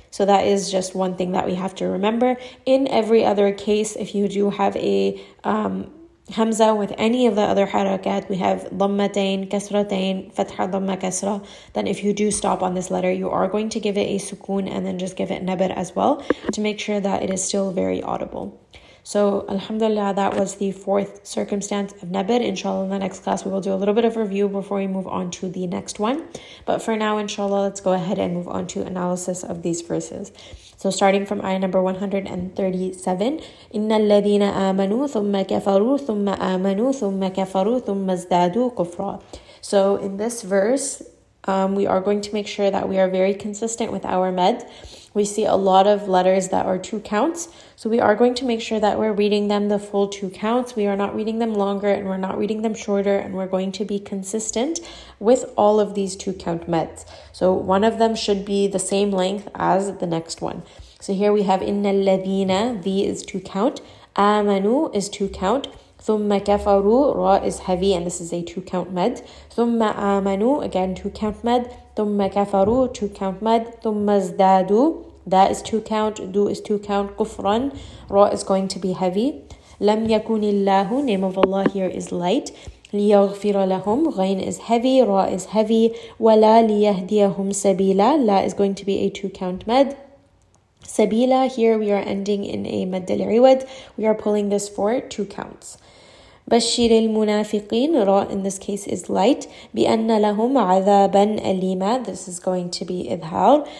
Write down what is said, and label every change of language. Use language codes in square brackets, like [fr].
[en] So that is just one thing that we have to remember. In every other case, if you do have a hamza with any of the other harakat, we have dhammatain, kasratain, fatha, dhamma, kasra, then if you do stop on this letter, you are going to give it a sukoon and then just give it nabr as well to make sure that it is still very audible. So alhamdulillah, that was the fourth circumstance of Nabir. Inshallah, in the next class, we will do a little bit of review before we move on to the next one. But for now, inshallah, let's go ahead and move on to analysis of these verses. So starting from ayah number 137, [ar] إِنَّ الَّذِينَ آمَنُوا ثُمَّ كَفَرُوا ثُمَّ آمَنُوا ثُمَّ كَفَرُوا ثُمَّ ازْدَادُوا كُفْرًا. [en] So in this verse, we are going to make sure that we are very consistent with our med. We see a lot of letters that are two counts. So we are going to make sure that we're reading them the full two counts. We are not reading them longer and we're not reading them shorter. And we're going to be consistent with all of these two count meds. So one of them should be the same length as the next one. So here we have [ar] إِنَّ الَّذِينَ [en] the is two count. آمَنُوا is two count. [ar] ثُمَّ كَفَرُوا [en] ra is heavy and this is a two count med. [ar] ثُمَّ آمَنُوا [en] again two count med. [ar] ثُمَّ كَفَرُوا [en] two count med. [ar] ثُمَّ ازْدَادُوا [en] that is two count. دُو is two count. كُفْرًا ra is going to be heavy. [ar] لَمْ يَكُنِ اللَّهُ [en] name of Allah here is light. [ar] لِيَغْفِرَ لَهُمْ غَيْن [en] is heavy. ra is heavy. [ar] وَلَا لِيَهْدِيَهُمْ سَبِيلًا [en] la is going to be a two count med. Sabila, here we are ending in a mad al-iwad. We are pulling this for two counts. [ar] Bashir al-munafiqin, [en] ra in this case is light. [ar] Bi anna lahum adhaban alima, [en] this is going to be idhar.